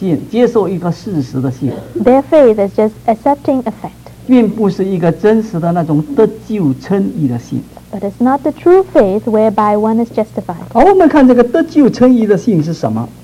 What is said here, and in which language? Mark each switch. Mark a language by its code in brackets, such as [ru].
[zh] 就是他们的信只是一个接受的信，接受一个事实的信。 [en] Their faith is just accepting a fact. [zh] 并不是一个真实的那种得救称义的信。 [en] But it's not the true faith whereby one is justified. [zh] 好，我们看这个得救称义的信是什么。